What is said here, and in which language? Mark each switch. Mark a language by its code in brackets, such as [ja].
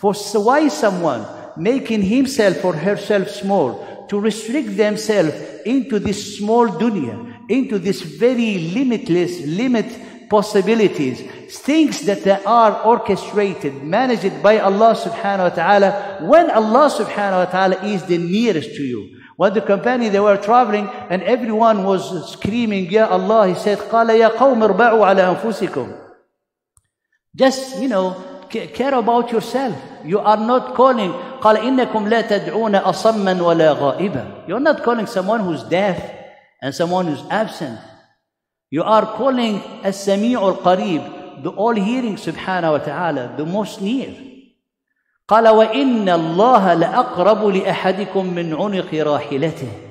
[en] For why someone making himself or herself small, to restrict themselves into this small dunya, into this very limitless, limit possibilities, things that they are orchestrated, managed by Allah subhanahu wa ta'ala, when Allah subhanahu wa ta'ala is the nearest to you. When the company, they were traveling and everyone was screaming, Ya Allah, he said, [ar] قَالَ يَا قَوْمِ ارْبَعُوا عَلَىٰ أَنفُسِكُمْ. [en] Just, you know, care about yourself. You are not calling, [ar] قَالَ إِنَّكُمْ لَا تَدْعُونَ أَصَمًّا وَلَا غَائِبًا. [en] You're not calling someone who's deaf and someone who's absent. You are calling As-Sami'u al-Qareeb, the all-hearing subhanahu wa ta'ala, the most near. [ar] قَالَ وَإِنَّ اللَّهَ لَأَقْرَبُ لِأَحَدِكُمْ مِنْ عُنِقِ رَاحِلَتِهِ.